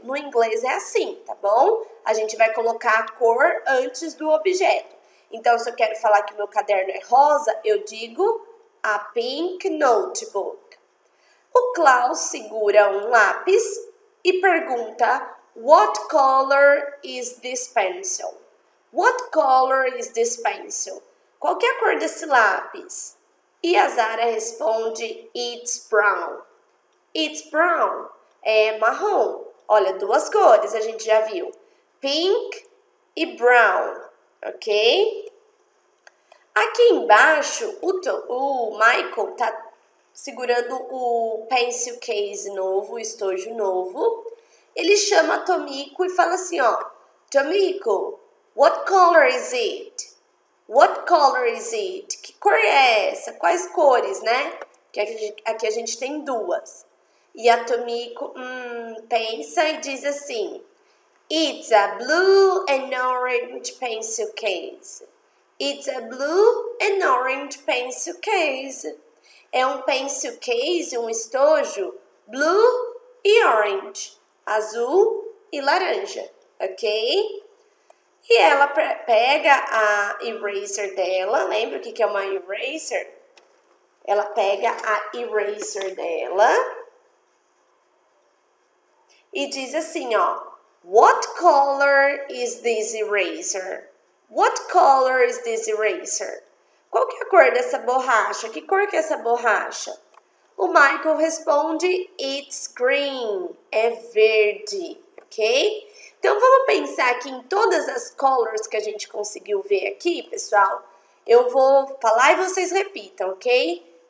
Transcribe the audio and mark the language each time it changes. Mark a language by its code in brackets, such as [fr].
[pt] No inglês é assim, tá bom? A gente vai colocar a cor antes do objeto. Então, se eu quero falar que o meu caderno é rosa, eu digo [en] a pink notebook. [pt] O Klaus segura um lápis e pergunta: [en] What color is this pencil? What color is this pencil? [pt] Qual que é a cor desse lápis? E a Zara responde: [en] It's brown. It's brown. [pt] É marrom. Olha, duas cores a gente já viu: pink e brown. Ok? Aqui embaixo, o Michael tá segurando o pencil case novo, o estojo novo. Ele chama Tomiko e fala assim, ó: [en] Tomiko, what color is it? What color is it? [pt] Que cor é essa? Quais cores, né? Que aqui a gente tem duas. E a Tomiko pensa e diz assim: [en] It's a blue and orange pencil case. It's a blue and orange pencil case. [pt] É um pencil case, um estojo, blue e orange. Azul e laranja, ok? E ela pega a eraser dela. Lembra o que é uma eraser? Ela pega a eraser dela e diz assim, ó: [en] What color is this eraser? What color is this eraser? [pt] Qual que é a cor dessa borracha? Que cor que é essa borracha? O Michael responde: [en] It's green. [pt] É verde, ok? Então, vamos pensar aqui em todas as colors que a gente conseguiu ver aqui, pessoal. Eu vou falar e vocês repitam, ok?